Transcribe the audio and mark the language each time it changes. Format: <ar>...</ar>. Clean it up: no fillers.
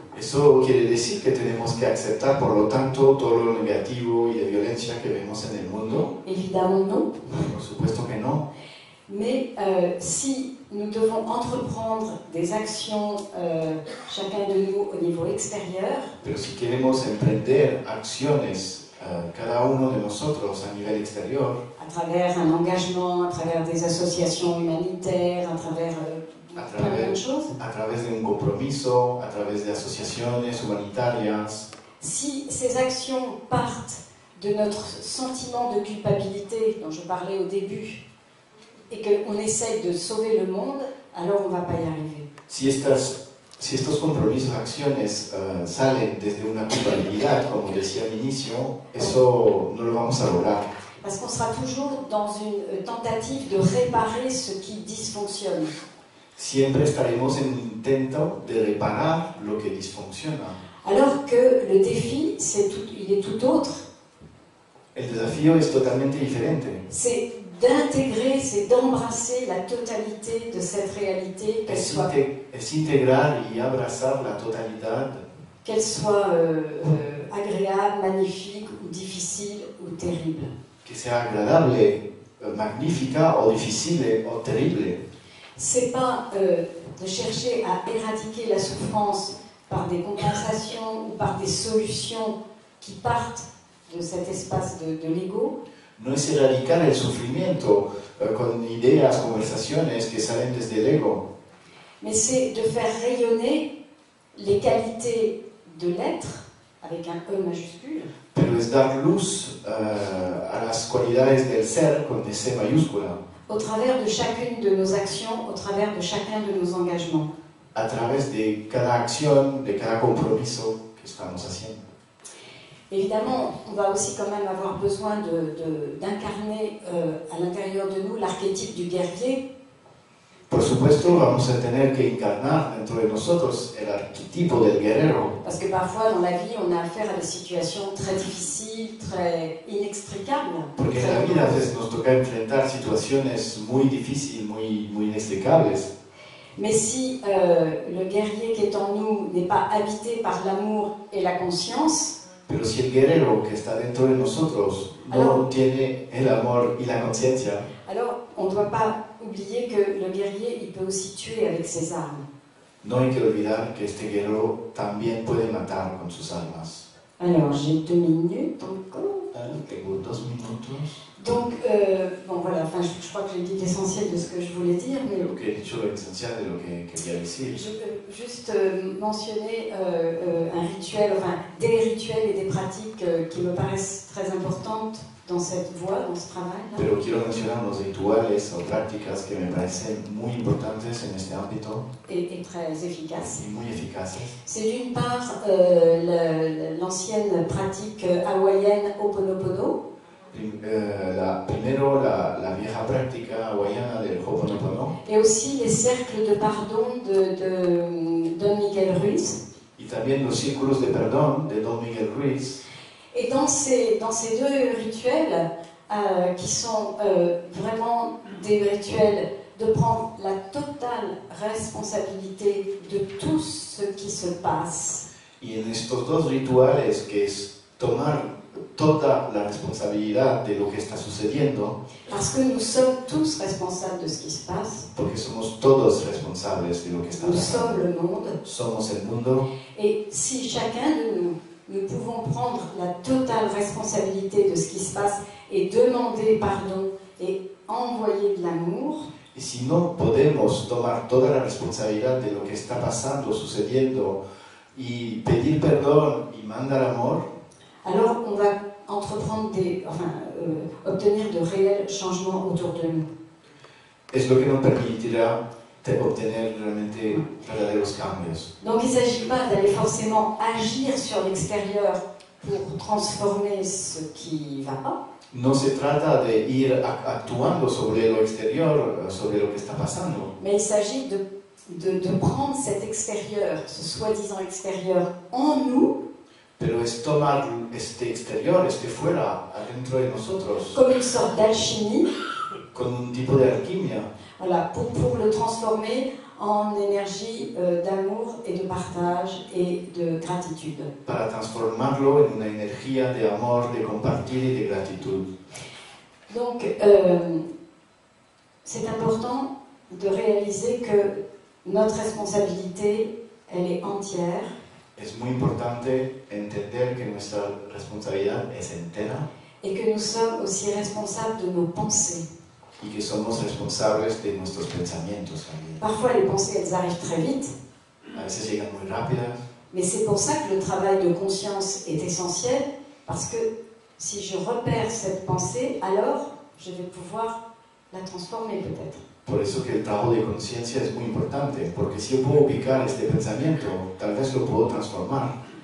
<es>Eso quiere decir que tenemos que aceptar, por lo tanto, todo lo negativo y la violencia que vemos en el mundo.</es> <fr>Évidemment non.</fr> <es>Por supuesto que no.</es> <fr>Mais si nous devons entreprendre des actions, chacun de nous, au niveau extérieur.</fr> <es>Pero si queremos emprender acciones. Cada uno de nosotros a nivel exterior,</es> <fr>à travers un engagement, à travers des associations humanitaires, à travers</fr> <es>de un compromiso, à travers de asociaciones humanitarias.</es> <fr>Si ces actions partent de notre sentiment de culpabilité dont je parlais au début et qu'on essaye de sauver le monde, alors on ne va pas y arriver.</fr> <es>Si estos compromisos, acciones salen desde una culpabilidad, como decía al inicio, eso no lo vamos a lograr.</es> <fr>Parce qu'on sera toujours dans une tentative de réparer ce qui dysfonctionne.</fr> <es>Siempre estaremos en un intento de reparar lo que</es> <fr>dysfonctionne. Alors que le défi, il est tout autre.</fr> <es>El desafío es totalmente diferente.</es> <fr>C'est d'intégrer, c'est d'embrasser la totalité de cette réalité, qu'elle soit.</fr> <es>Es integrar y abrazar la totalidad.</es> <fr>Qu'elle soit agréable, magnifique ou difficile ou terrible.</fr> <es>Que sea agradable, magnífica o difícil o terrible.</es> <fr>C'est pas de chercher à éradiquer la souffrance par des compensations ou par des solutions qui partent de cet espace de l'ego.</fr> <es>No es erradicar el sufrimiento con ideas, conversaciones que salen desde el ego.</es> <fr>Mais c'est de faire rayonner les qualités de l'être avec un E majuscule.</fr> <es>Pero es dar luz a las cualidades del ser con C mayúscula.</es> <fr>Au travers de chacune de nos actions, au travers de chacun de nos engagements.</fr> <es>A través de cada acción, de cada compromiso que estamos haciendo.</es> <fr>Évidemment, on va aussi quand même avoir besoin d'incarner à l'intérieur de nous l'archétype du guerrier.</fr> <es>Por supuesto, vamos a tener que encarnar dentro de nosotros el arquetipo del guerrero.</es> <fr>Parce que parfois dans la vie, on a affaire à des situations très difficiles, très inextricables.</fr> <es>Porque en la vida a veces nos toca enfrentar situaciones muy difíciles, muy inexplicables.</es> <fr>Mais si le guerrier qui est en nous n'est pas habité par l'amour et la conscience,</fr> <es>Pero si el guerrero que está dentro de nosotros no tiene el amor y la conciencia,</es> <fr>alors on ne doit pas oublier que le guerrier il peut aussi tuer avec ses armes.</fr> <es>No hay que olvidar que este guerrero también puede matar con sus armas.</es> <fr>Alors, j'ai 2 minutes encore.</fr> <es>Tengo 2 minutos.</es> <fr>Donc, bon voilà, enfin, je crois que j'ai dit l'essentiel de ce que je voulais dire, mais.</fr> <es>Lo que he dicho, lo esencial de lo que quería decir.</es> <fr>Je peux juste mentionner un rituel, enfin, des rituels et des pratiques qui me paraissent très importantes dans cette voie, dans ce travail.</fr> <es>Pero quiero mencionar los rituales o prácticas que me parecen muy importantes en este ámbito.</es> <fr>Et très efficaces.</fr> <es>Y muy eficaces.</es> <fr>C'est d'une part l'ancienne pratique hawaïenne Ho'oponopono.</fr> <es>La vieja práctica hawaiana del Ho'oponopono.</es> <fr>Et aussi les cercles de pardon de Don Miguel Ruiz.</fr> <es>Y también los círculos de perdón de Don Miguel Ruiz.</es> <fr>Et dans ces deux rituels, qui sont vraiment des rituels de prendre la totale responsabilité de tout ce qui se passe.</fr> <es>Y en estos dos rituales, que es tomar toda la responsabilidad de lo que está sucediendo.</es> <fr>Parce que nous sommes tous responsables de ce qui se passe.</fr> <es>Porque somos todos responsables de lo que está pasando.</es> <fr>Nous sommes le monde.</fr> <es>Somos el mundo.</es> <fr>Et si chacun de nous nous pouvons prendre la totale responsabilité de ce qui se passe et demander pardon et envoyer de l'amour.</fr> <es>Y si no podemos tomar toda la responsabilidad de lo que está pasando, sucediendo y pedir perdón y mandar amor.</es> <fr>Alors on va entreprendre obtenir de réels changements autour de nous.</fr> <es>Es lo que nos permitirá</es> <fr>obtenir</fr> <es>realmente verdaderos cambios.</es> <fr>Donc il ne s'agit pas d'aller forcément agir sur l'extérieur pour transformer ce qui ne va pas.</fr> <es>No se trata de ir actuando sobre lo exterior, sobre lo que está pasando.</es> <fr>Mais il s'agit de prendre cet extérieur, ce soi-disant extérieur, en nous.</fr> <es>Pero es tomar este exterior, este fuera, adentro de nosotros.</es> <fr>Comme une sorte d'alchimie.</fr> <es>Con un tipo de alquimia.</es> <fr>Voilà, pour le transformer en énergie d'amour et de partage et de gratitude.</fr> <es>Para transformarlo en una energía de amor, de compartir y de gratitud.</es> <fr>Donc, c'est important de réaliser que notre responsabilité, elle est entière.</fr> <es>Es muy importante entender que nuestra responsabilidad es entera.</es> <fr>Et que nous sommes aussi responsables de nos pensées.</fr> <es>Y que somos responsables de nuestros pensamientos también.</es> <fr>Parfois les pensées elles arrivent très vite.</fr> <es>A veces llegan muy rápidas.</es> <fr>Mais c'est pour ça que le travail de conscience est essentiel, parce que si je repère cette pensée, alors je vais pouvoir la transformer peut-être.</fr> <es>Por eso que el trabajo de conciencia es muy importante, porque si yo puedo ubicar este pensamiento, tal vez lo puedo transformar.</es>